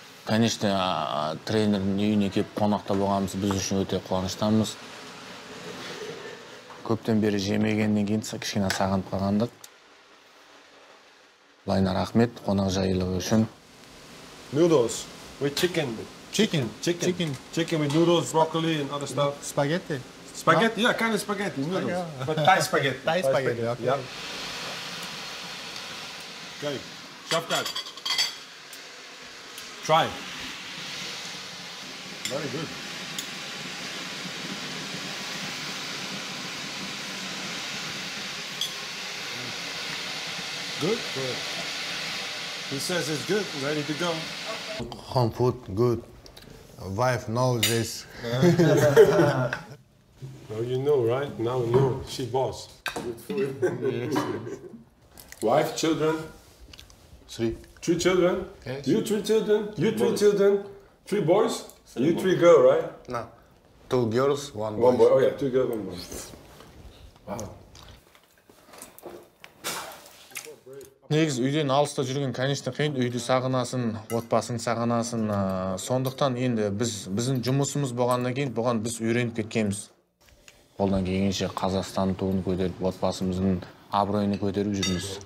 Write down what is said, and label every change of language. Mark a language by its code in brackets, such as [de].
[kk] Конечно, тренер үйіне кеп қонақта болғанымыз біз үшін өте қуаныштамыз. Көптен бері жемегеннен кейін кішкене сағынып қалғандық. Лайна, рахмет қонақ жайлығы үшін. [en] Noodles with chicken. Chicken? Chicken. Chicken with noodles, broccoli and other stuff. Spaghetti? Spaghetti, huh? Yeah, kind of spaghetti, noodles. Yeah. But Thai spaghetti. Thai spaghetti, okay. Yeah. Okay, chef guys. Try. Very good. Good? Good. He says it's good, ready to go. Okay. Home food, good. Wife knows this. Now you know, right? Now you know. She boss. Good. Wife, children? Three. Three children? Yes. You three children? Three you three boys. Children? Three boys? Three you boys. Three girls, right? No. Two girls, one boy. One boy, oh yeah, two girls, one boy. Wow. [kk] Негіз үйден алыста жүрген, конечно, қиын. Үйді сағынасың, отбасыңды сағынасың. Сондықтан енді біздің жұмысымыз болғаннан кейін, бұған біз үйреніп кеткенбіз. Олдан кейінше Қазақстан туын көтеріп, отбасымыздың абыройын көтеріп жүрміз.